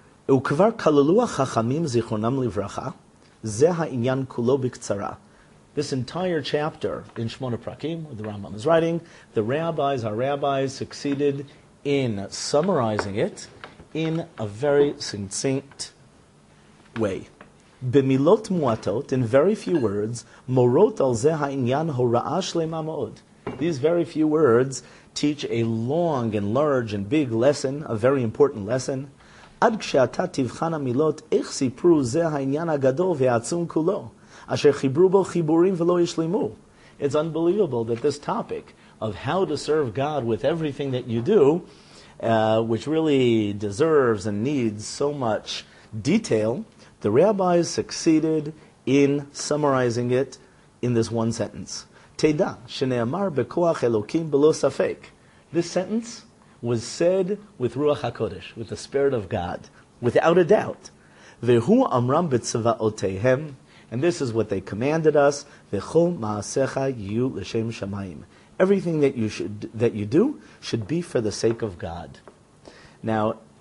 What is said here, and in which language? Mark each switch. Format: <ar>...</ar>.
<he>וכבר כללו החכמים זיכרונם לברכה, זה העניין כולו בקצרה.</he> <en>This entire chapter in Shmona Prakim, the Rambam is writing, the rabbis, our rabbis, succeeded in summarizing it in a very succinct way.</en> <he>במילות מועטות,</he> <en>in very few words,</en> <he>מורות על זה העניין הוראה שלמה מאוד.</he> <en>These very few words teach a long and large and big lesson, a very important lesson.</en> <he>עד כשאתה תבחן המילות, איך סיפרו זה העניין הגדול והעצום כולו, אשר חיברו בו חיבורים ולא ישלימו.</he> <en>It's unbelievable that this topic of how to serve God with everything that you do, which really deserves and needs so much detail, the rabbis succeeded in summarizing it in this one sentence.</en> <he>תדע שנאמר בכוח אלוקים בלא ספק.</he> <en>This sentence was said with Ruach HaKodesh, with the Spirit of God, without a doubt.</en> <he>Vehu amram b'tzva'otehem,</he> <en>and this is what they commanded us,</en> <he>v'chol ma'asecha yu l'shem shamayim.</he> <en>Everything that you do should be for the sake of God. Now,</en>